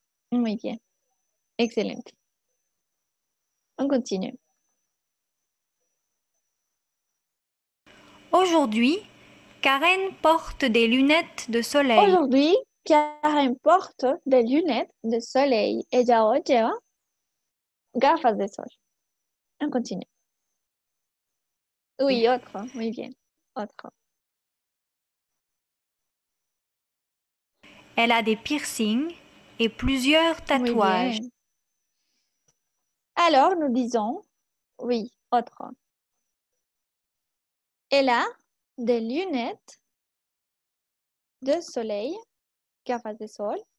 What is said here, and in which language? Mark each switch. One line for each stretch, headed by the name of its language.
Spanish: Muy bien.
French: Excellent. On continue. Aujourd'hui, Karen porte des lunettes de soleil. Aujourd'hui, Karen porte des lunettes de soleil.
Spanish: Ella hoy lleva gafas de sol.
French: On continue. Oui, autre.
Spanish: Muy bien.
French: Autre. Elle a des piercings et plusieurs
Spanish: Muy
French: tatouages.
Spanish: bien.
French: Alors, nous disons, oui, autre. Elle a des lunettes de soleil,
Spanish: gafas de sol.